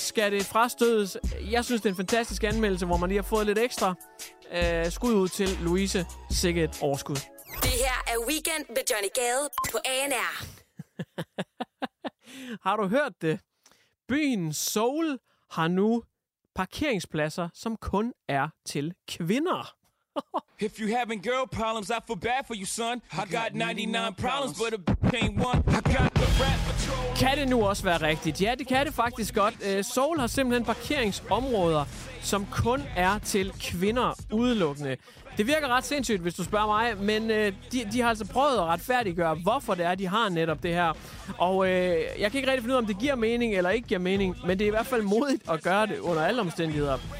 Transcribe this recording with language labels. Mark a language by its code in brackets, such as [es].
[da] Skal det frastødes? Jeg synes, det er en fantastisk anmeldelse, hvor man lige har fået lidt ekstra skud ud til Louise. Sikkert overskud. Det her er Weekend med Johnny Gade på ANR. Har du hørt det? Byen Seoul har nu parkeringspladser, som kun er til kvinder. [en] If you having girl problems, I feel bad for you, son. I got 99 problems, but a ain't one. I got the rap. [da] Kan det nu også være rigtigt? Ja, det kan det faktisk godt. Seoul har simpelthen parkeringsområder, som kun er til kvinder udelukkende. Det virker ret sindssygt, hvis du spørger mig, men de har altså prøvet at retfærdiggøre, hvorfor det er, de har netop det her. Og jeg kan ikke rigtig finde ud af, om det giver mening eller ikke giver mening, men det er i hvert fald modigt at gøre det under alle omstændigheder.